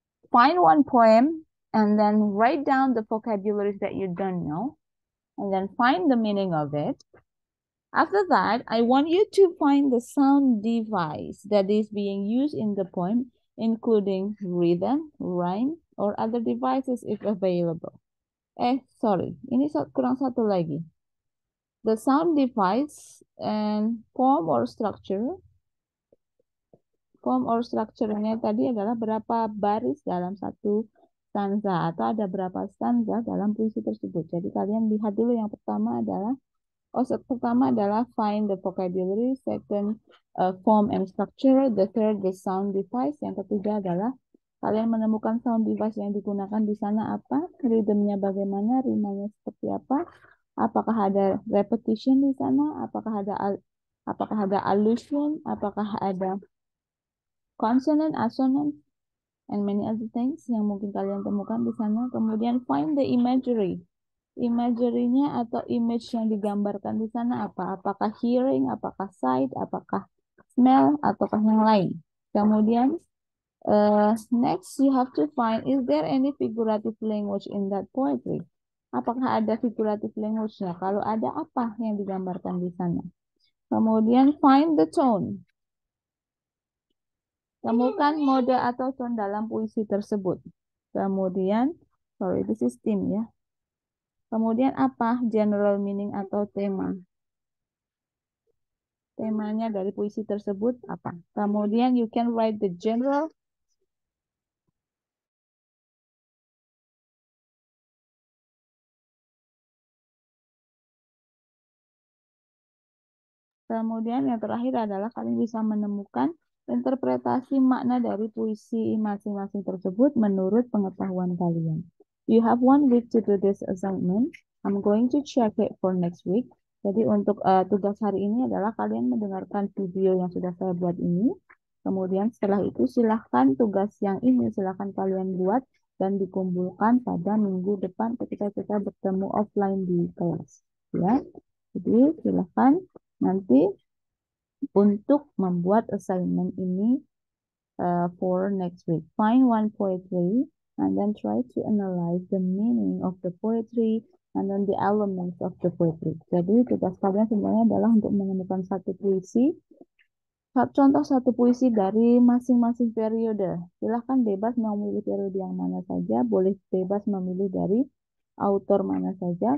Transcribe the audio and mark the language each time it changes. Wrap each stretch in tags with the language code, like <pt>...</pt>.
<en>find one poem and then write down the vocabulary that you don't know and then find the meaning of it. After that, I want you to find the sound device that is being used in the poem, including rhythm, rhyme, or other devices if available. Sorry, ini kurang satu lagi. The sound device and poem or structure.</en> <id>Poem or structure- nya tadi adalah berapa baris dalam satu stanza atau ada berapa stanza dalam puisi tersebut. Jadi kalian lihat dulu yang pertama adalah pertama adalah find the vocabulary, second form and structure, the third the sound device, yang ketiga adalah kalian menemukan sound device yang digunakan di sana apa, rhythmnya bagaimana, rimanya seperti apa, apakah ada repetition di sana, apakah ada allusion, apakah ada consonant, assonant, and many other things yang mungkin kalian temukan di sana. Kemudian find the imagery. Imagery-nya atau image yang digambarkan di sana apa? Apakah hearing, apakah sight, apakah smell, ataukah yang lain?</id> <en>Kemudian, next you have to find, is there any figurative language in that poetry?</en> <id>Apakah ada figurative language-nya? Kalau ada, apa yang digambarkan di sana? Kemudian, find the tone. Temukan mode atau tone dalam puisi tersebut. Kemudian, sorry, this is theme ya. Kemudian apa general meaning atau tema? Temanya dari puisi tersebut apa? Kemudian you can write the general. Kemudian yang terakhir adalah kalian bisa menemukan interpretasi makna dari puisi masing-masing tersebut menurut pengetahuan kalian.</id> <en>You have 1 week to do this assignment. I'm going to check it for next week.</en> <id>Jadi untuk tugas hari ini adalah kalian mendengarkan video yang sudah saya buat ini. Kemudian setelah itu silahkan tugas yang ini silahkan kalian buat dan dikumpulkan pada minggu depan ketika kita bertemu offline di kelas. Ya. Jadi silahkan nanti untuk membuat assignment ini for next week.</id> <en>Find one poetry. And then try to analyze the meaning of the poetry and then the elements of the poetry.</en> <id>Jadi tugas kalian semuanya adalah untuk menemukan satu puisi, contoh satu puisi dari masing-masing periode. Silahkan bebas memilih periode yang mana saja, boleh bebas memilih dari autor mana saja.</id>